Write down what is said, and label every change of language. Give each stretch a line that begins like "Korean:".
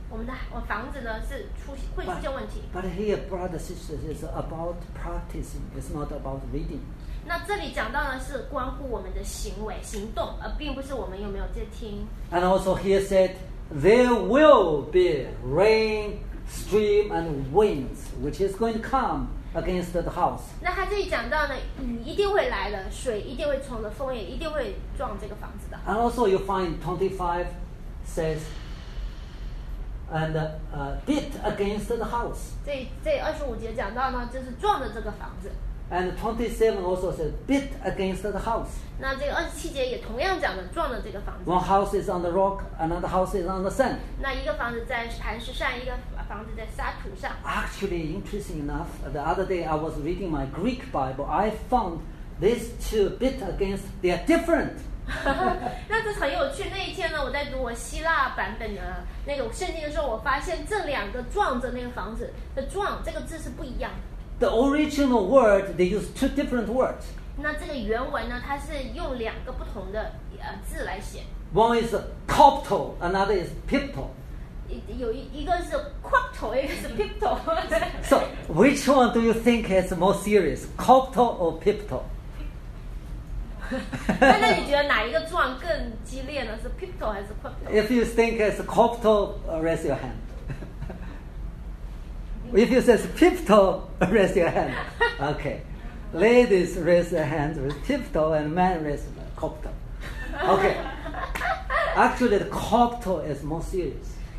Chinese: 我房子呢是会出现问题。
English: But here, brother, sister, is about practicing. It's not about reading.
Chinese: 那这里讲到的是关乎我们的行为行动，而并不是我们有没有在听。
English: And also he said there will be rain, stream and winds which is going to come against the house.
Chinese: 那他这里讲到呢，雨一定会来的，水一定会冲的，风也一定会撞这个房子的。
English: And also you find 25 says and beat against the house.
Chinese: 这25节讲到呢，就是撞的这个房子。
English: And 27 also says beat against the house.
Chinese: 那这个27节也同样讲的撞了这个房子。
English: One house is on the rock, another house is on the sand.
Chinese: 那一个房子在磐石上，一个房子在沙土上。
English: Actually, interesting enough, the other day I was reading my Greek Bible, I found these two beat against, they are different.
Chinese: 那这很有趣。那一天呢，我在读我希腊版本的那个圣经的时候，我发现这两个撞着那个房子的撞这个字是不一样的。
English: The original word, they use two different words.
Chinese: 那这个原文呢，它是用两个不同的字来写。
English: One is coptal, another is piptal.
Chinese: 有一个是 coptal, 一个是 piptal.
English: So, which one do you think is more serious, coptal or piptal?
Chinese: 那你觉得哪一个状更激烈呢？是 piptal 还是 coptal?
English: If you think it's coptal, raise your hand. If you say pivotal, raise your hand. Okay. Ladies raise their hands with pivotal and men raise the coptal. Okay. Actually, the coptal is more serious.